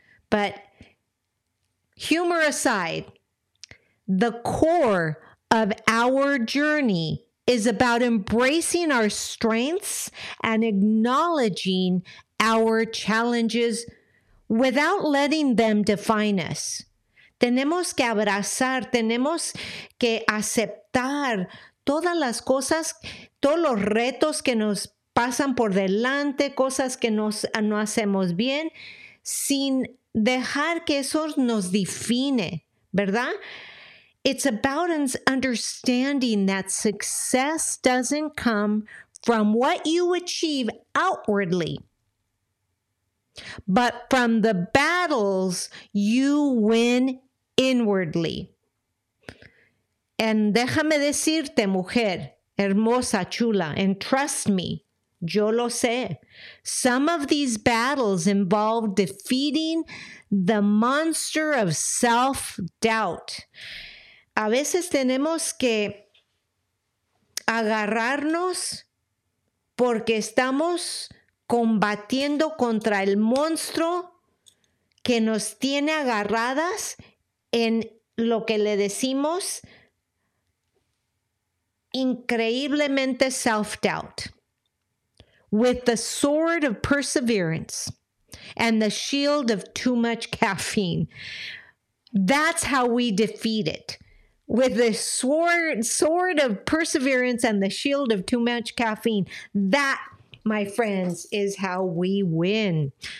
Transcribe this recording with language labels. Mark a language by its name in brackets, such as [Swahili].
[English] But humor aside, the core of our journey is about embracing our strengths and acknowledging our challenges without letting them define us. [Spanish] Tenemos que abrazar, tenemos que aceptar todas las cosas, todos los retos que nos pasan por delante, cosas que no hacemos bien, sin dejar que eso nos define, ¿verdad? [English] It's about understanding that success doesn't come from what you achieve outwardly, but from the battles you win inwardly. And [Spanish] déjame decirte, mujer, hermosa, chula, [English] and trust me, [Spanish] Yo lo sé. [English] Some of these battles involve defeating the monster of self-doubt. [Spanish] A veces tenemos que agarrarnos porque estamos combatiendo contra el monstruo que nos tiene agarradas en lo que le decimos increíblemente self-doubt. [English] With the sword of perseverance and the shield of too much caffeine. That's how we defeat it. With the sword of perseverance and the shield of too much caffeine. That, my friends, is how we win.